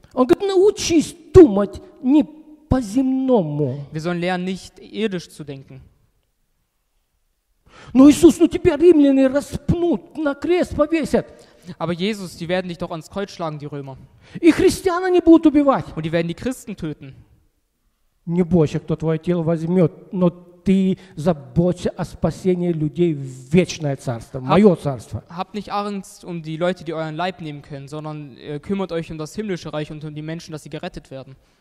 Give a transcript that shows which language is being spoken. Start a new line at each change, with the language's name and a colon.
Russian: Он говорит, научись думать не по-земному.
German: Wir sollen lernen, nicht irdisch zu denken.
Russian: Ну, Иисус, ну тебя римляне распнут, на крест повесят.
German: Aber Jesus, die werden dich doch ans Kreuz schlagen, die Römer.
Russian: И христиан они будут убивать.
German: Und die werden die Christen töten.
Russian: Не бойся, кто твое тело возьмет, но ты заботься о спасении людей в вечное царство, мое царство.
German: Habt nicht Angst um die Leute, die euren Leib nehmen können, sondern kümmert euch um das himmlische Reich und um die Menschen, dass sie gerettet werden.